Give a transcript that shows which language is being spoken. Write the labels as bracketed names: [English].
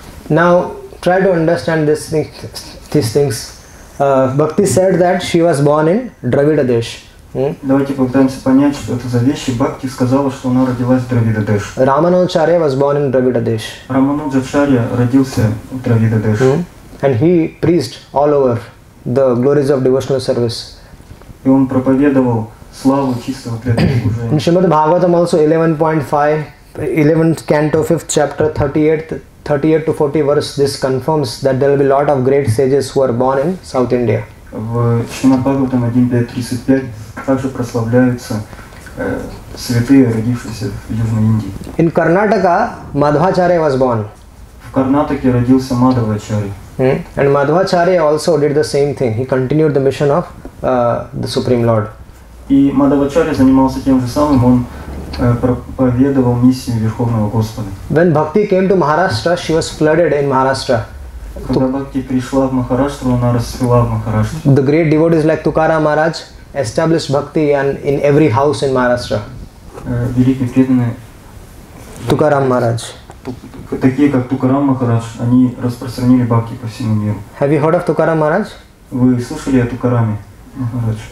[English] Now try to understand this thing, these things. Bhakti said that she was born in Dravida Desh. [Russian] Давайте попытаемся понять, что это за вещи. Бхакти сказала, что она родилась в Дравида Деш. [English] Рамануджачарья was born in Dravida Desh. [Russian] Рамануджачарья родился в Дравида Деш. [English] And he preached all over the glories of devotional service. [Russian] И он проповедовал славу чистого преданного. [English] Шримад Бхагаватам also 11.5, 11th canto, 5th chapter, 38 to 40 verse, this confirms that there will be a lot of great sages who are born in South India. [Russian] В Шримад Бхагаватам 1.35 также прославляются святые, родившиеся в Южной Индии. [English] In Karnataka, Madhvacharya was born. [Russian] В Карнатаке родился Мадхвачарья. [English] And Madhvacharya also did the same thing. He continued the mission of the Supreme Lord. [Russian] И Мадхвачарья занимался тем же самым. Он проповедовал миссию Верховного Господа. [English] When Bhakti came to Maharashtra, she was flooded in Maharashtra. [Russian] Когда Бхакти пришла в Махараштру, она расцвела в Махараштре. [English] The great devotees like Tukaram Maharaj established Bhakti and in every house in Maharashtra. [Russian] Великие преданные. [English] Tukaram Maharaj. [Russian] Такие как Тукарам Махарадж, они распространили бхакти по всему миру. [English] Have you heard of Tukaram Maharaj? [Russian] Вы слышали о Тукараме Махарадж?